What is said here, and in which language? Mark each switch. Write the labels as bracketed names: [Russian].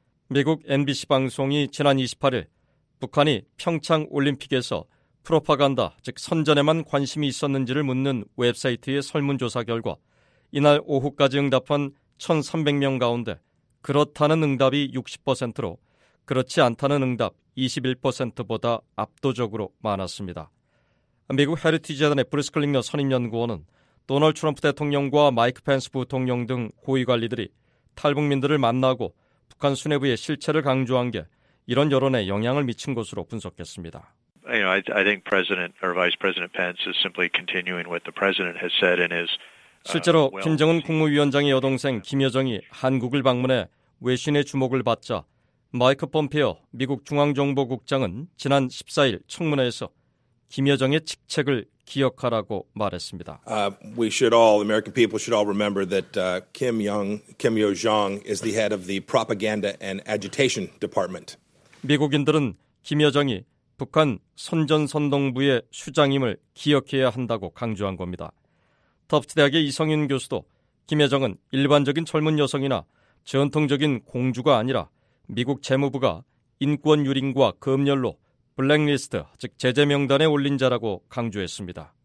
[Korean] 미국 NBC 방송이 지난 28일 북한이 평창올림픽에서 프로파간다, 즉 선전에만 관심이 있었는지를 묻는 웹사이트의 설문조사 결과 이날 오후까지 응답한 1,300명 가운데 그렇다는 응답이 60%로 그렇지 않다는 응답 21%보다 압도적으로 많았습니다. 미국 헤리티지재단의 브루스 클링너 선임연구원은 도널드 트럼프 대통령과 마이크 펜스 부통령 등 고위관리들이 탈북민들을 만나고 북한 수뇌부의 실체를 강조한 게 이런 여론에 영향을 미친 것으로 분석했습니다. [English] You know, I think President or Vice President Pence is simply continuing what the President has said in his [Korean] 실제로 김정은 국무위원장의 여동생 김여정이 한국을 방문해 외신의 주목을 받자 마이크 폼페어 미국 중앙정보국장은 지난 14일 청문회에서 김여정의 직책을 기억하라고 말했습니다. [English] We should all, American people should all remember that Kim Yo-jong is the head of the Propaganda and Agitation Department. [Korean] 미국인들은 김여정이 북한 선전선동부의 수장임을 기억해야 한다고 강조한 겁니다. 터프트 대학의 이성윤 교수도 김여정은 일반적인 젊은 여성이나 전통적인 공주가 아니라 미국 재무부가 인권 유린과 검열로 블랙리스트, 즉 제재 명단에 올린 자라고 강조했습니다.